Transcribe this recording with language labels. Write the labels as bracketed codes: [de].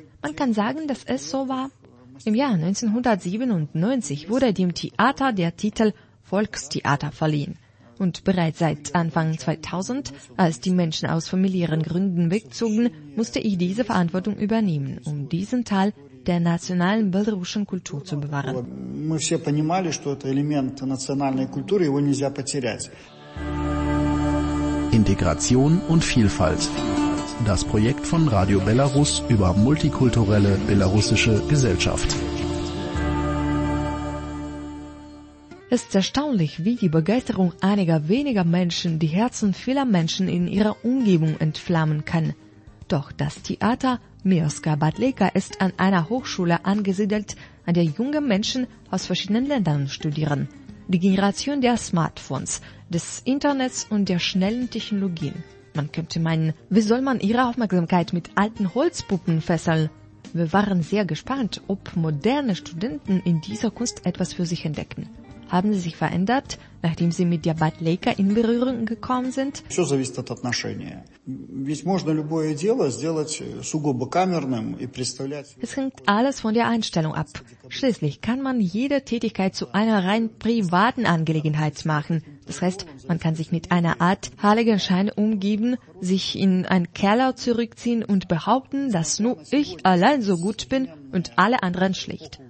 [de] Man kann sagen, dass es so war. Im Jahr 1997 wurde dem Theater der Titel Volkstheater verliehen. Und bereits seit Anfang 2000, als die Menschen aus familiären Gründen wegzogen, musste ich diese Verantwortung übernehmen, um diesen Teil der nationalen belarussischen Kultur zu bewahren. Wir alle [ru] понимали, что это элемент национальной культуры, его нельзя потерять. [de] Integration und Vielfalt. Das Projekt von Radio Belarus über multikulturelle belarussische Gesellschaft. Es ist erstaunlich, wie die Begeisterung einiger weniger Menschen die Herzen vieler Menschen in ihrer Umgebung entflammen kann. Doch das Theater Mirska Batleika ist an einer Hochschule angesiedelt, an der junge Menschen aus verschiedenen Ländern studieren. Die Generation der Smartphones, des Internets und der schnellen Technologien. Man könnte meinen, wie soll man ihre Aufmerksamkeit mit alten Holzpuppen fesseln? Wir waren sehr gespannt, ob moderne Studenten in dieser Kunst etwas für sich entdecken. Haben sie sich verändert, nachdem sie mit der Batleika in Berührung gekommen sind? [ru] Все зависит от отношения. Ведь можно любое дело сделать сугубо камерным и представлять. [de] Es hängt alles von der Einstellung ab. Schließlich kann man jede Tätigkeit zu einer rein privaten Angelegenheit machen. Das heißt, man kann sich mit einer Art Heiligenschein umgeben, sich in einen Keller zurückziehen und behaupten, dass nur ich allein so gut bin und alle anderen schlecht.